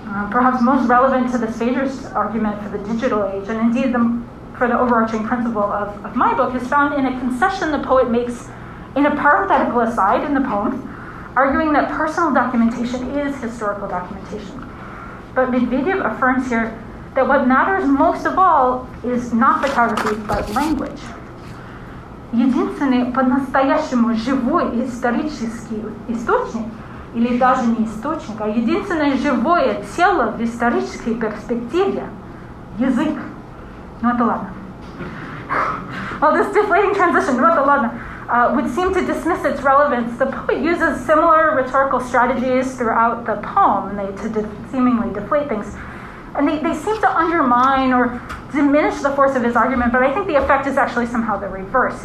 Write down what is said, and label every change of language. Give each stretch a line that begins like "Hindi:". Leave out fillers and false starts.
English: Perhaps most relevant to this Phaedrus argument for the digital age, and indeed for the overarching principle of my book, is found in a concession the poet makes in a parenthetical aside in the poem, arguing that personal documentation is historical documentation. But Medvedev affirms here that what matters most of all is not photography, but language.
Russian: Единственный по-настоящему живой исторический источник, или даже не источник, а единственное живое тело в исторической перспективе — язык. Ну это ладно.
English: Well, this deflating transition,
Russian: ну это ладно,
English: would seem to dismiss its relevance, the poet uses similar rhetorical strategies throughout the poem seemingly deflate things. And they seem to undermine or diminish the force of his argument, but I think the effect is actually somehow the reverse.